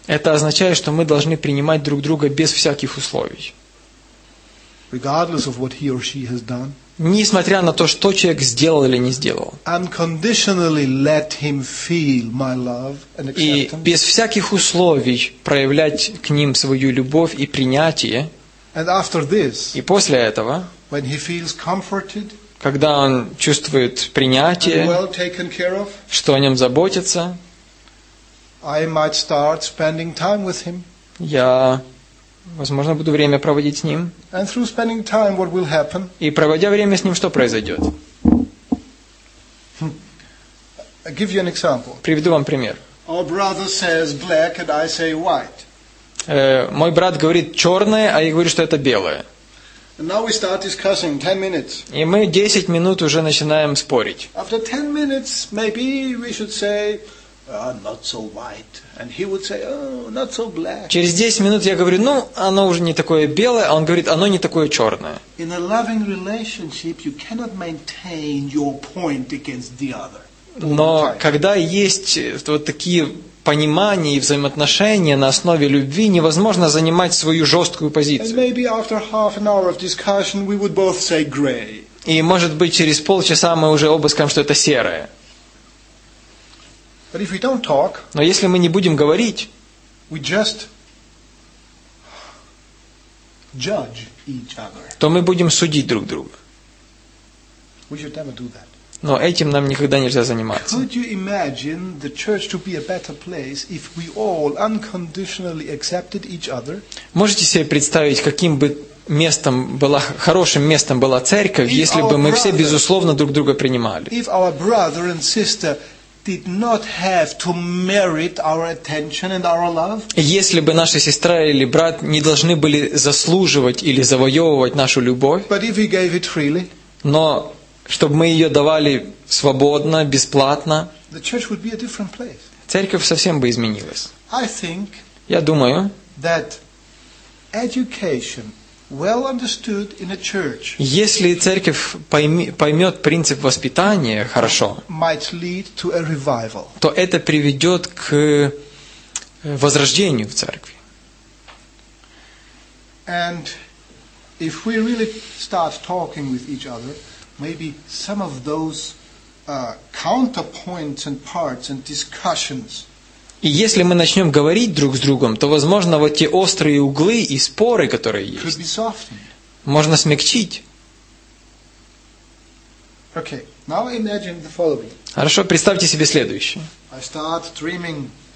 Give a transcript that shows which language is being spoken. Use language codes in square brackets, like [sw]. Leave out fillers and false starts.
[ru] Это означает, что мы должны принимать друг друга без всяких условий. Несмотря на то, что человек сделал или не сделал. [en] Unconditionally let him feel my love and acceptance. [ru] И без всяких условий проявлять к ним свою любовь и принятие. [en] And after this. [ru] И после этого. [en] When he feels comforted. [ru] Когда он чувствует принятие. [en] And well taken care of. [ru] Что о нем заботится. [en] I might start spending time with him. [ru] Я возможно, буду время проводить с ним. [en] And through spending time, what will happen? [ru] И проводя время с ним, что произойдет? [en] I give you an example. [ru] Приведу вам пример. [en] Our brother says black, and I say white. [ru] Мой брат говорит черное, а я говорю, что это белое. [en] And now we start discussing 10 minutes. [ru] И мы 10 минут уже начинаем спорить. [en] After 10 minutes, maybe we should say, not so white. And he would say, oh, not so black. [ru] Через 10 минут я говорю, ну, оно уже не такое белое, а он говорит, оно не такое черное. [en] In a loving relationship you cannot maintain your point against the other. [ru] Но когда есть вот такие понимания и взаимоотношения на основе любви, невозможно занимать свою жесткую позицию. [en] And maybe after half an hour of discussion we would both say gray. [ru] И может быть через полчаса мы уже оба скажем, что это серое. [en] But if we don't talk, [ru] но если мы не будем говорить, [en] we just judge each other. [ru] То мы будем судить друг друга. [en] We should never do that. [ru] Но этим нам никогда нельзя заниматься. [en] Could you imagine the church to be a better place if we all unconditionally accepted each other? [ru] Можете себе представить, каким бы местом была, хорошим местом была церковь, если бы мы все безусловно друг друга принимали? [en] If our brother and sister did not have to merit our attention and our love? [ru] Если бы наша сестра или брат не должны были заслуживать или завоевывать нашу любовь? [en] But if we gave it freely? [ru] Но чтобы мы её давали свободно, бесплатно? [en] The church would be a different place. [ru] Церковь совсем бы изменилась. [en] I think. [ru] Я думаю, [en] that education well understood in a church. [ru] Если церковь поймёт принцип воспитания хорошо, [en] might lead to a revival. [ru] То это приведёт к возрождению в церкви. [en] And if we really start talking with each other, maybe some of those counterpoints and parts and discussions. [ru] И если мы начнём говорить друг с другом, то возможно, вот те острые углы и споры, которые есть, можно смягчить. [en] Okay. Now imagine the following. [ru] Хорошо, представьте себе следующее. [en] I start dreaming.